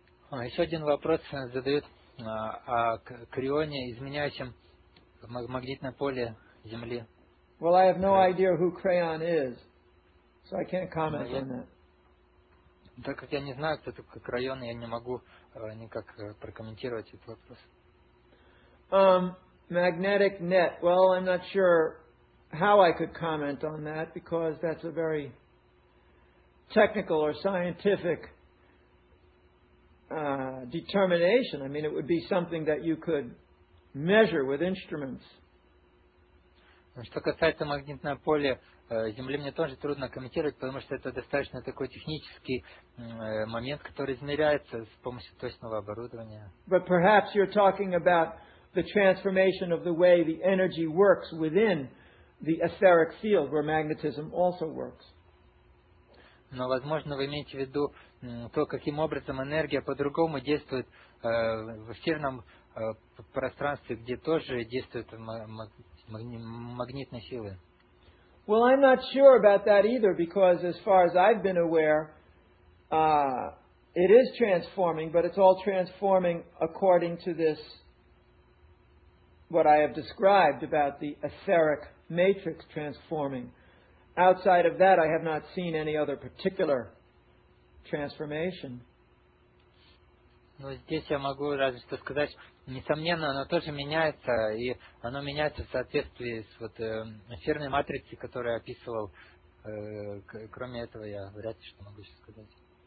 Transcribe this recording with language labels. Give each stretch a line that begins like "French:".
Russian: Еще один вопрос задают о крионе, изменяющем магнитное поле Земли.
English: Well, I have no idea who crayon is, so I can't comment on that.
Russian: Так как я не знаю, кто такой крайон, я не могу никак прокомментировать этот вопрос.
English: Magnetic net. Well, I'm not sure how I could comment on that, because that's a very technical or scientific determination. I mean, it would be something that you could measure with instruments.
Russian: Что касается магнитного поля Земли, мне тоже трудно комментировать, потому что это достаточно такой технический момент, который измеряется с помощью точного оборудования.
English: But perhaps you're talking about the transformation of the way the energy works within the etheric field, where magnetism also works.
Russian: Но, возможно, вы имеете в виду то, каким образом энергия по-другому действует в эфирном пространстве, где тоже действует магнитные силы.
English: Well, I'm not sure about that either, because as far as I've been aware, it is transforming, but it's all transforming according to this, what I have described about the etheric matrix transforming. Outside of that, I have not seen any other particular transformation.
Russian: Ну, здесь я могу разве что сказать, несомненно, оно тоже меняется, и оно меняется в соответствии с вот эфирной матрицей, которую я описывал. Кроме этого, я вряд ли что могу сейчас сказать.